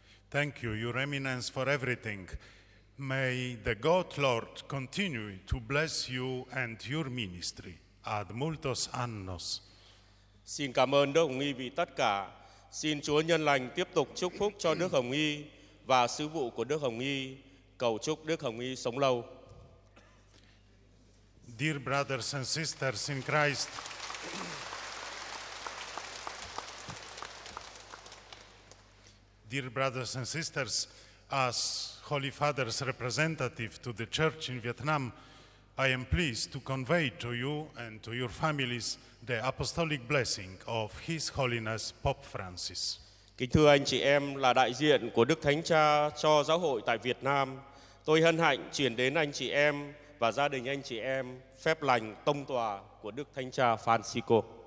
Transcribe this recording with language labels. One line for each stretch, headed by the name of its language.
English: Thank you, Your Eminence, for everything. May the God Lord continue to bless you and your ministry
Latin: ad multos annos.
Vietnamese: Xin cảm ơn Đức Hồng Y vì tất cả. Xin Chúa Nhân Lành tiếp tục chúc phúc cho Đức Hồng Y và sứ vụ của Đức Hồng Y. Cầu chúc Đức Hồng Y sống lâu.
English: Dear brothers and sisters in Christ, dear brothers and sisters, as Holy Father's representative to the Church in Vietnam, I am pleased to convey to you and to your families the apostolic blessing of His Holiness Pope Francis.
Vietnamese: Kính thưa anh chị em, là đại diện của Đức Thánh Cha cho giáo hội tại Việt Nam, tôi hân hạnh chuyển đến anh chị em và gia đình anh chị em phép lành tông tòa của Đức Thánh Cha Francisco.